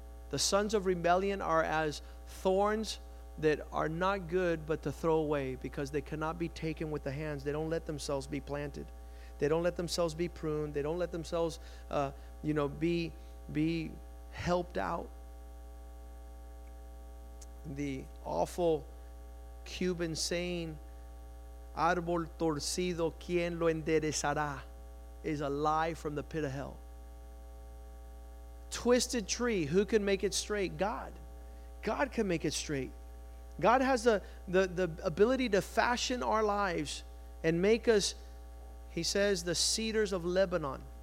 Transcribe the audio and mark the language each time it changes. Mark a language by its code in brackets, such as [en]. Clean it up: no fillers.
[en] The sons of rebellion are as thorns that are not good but to throw away because they cannot be taken with the hands. They don't let themselves be planted. They don't let themselves be pruned. They don't let themselves be helped out. The awful Cuban saying, [es] árbol torcido, ¿quién lo enderezará? [en] Is a lie from the pit of hell. Twisted tree, who can make it straight? God. God can make it straight. God has the ability to fashion our lives and make us, he says, the cedars of Lebanon.